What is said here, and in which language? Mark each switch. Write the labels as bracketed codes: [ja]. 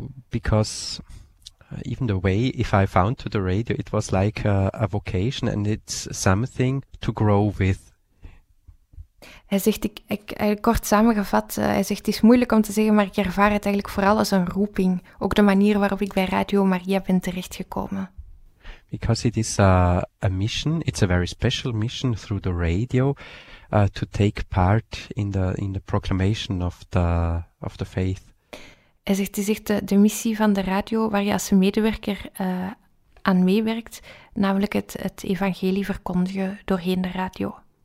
[en] Because even the way if I found to the radio, it was like a vocation and it's something to grow with. [nl] Hij zegt, kort samengevat, hij zegt, het is moeilijk om te zeggen, maar ik ervaar het eigenlijk vooral als een roeping. Ook de manier waarop ik bij Radio Maria ben terechtgekomen. [en] Because it is a mission, it's a very special mission through the radio, to take part in the proclamation of the faith. [nl] Hij zegt, het is echt de missie van de radio waar je als medewerker aan meewerkt, namelijk het evangelie verkondigen doorheen de radio.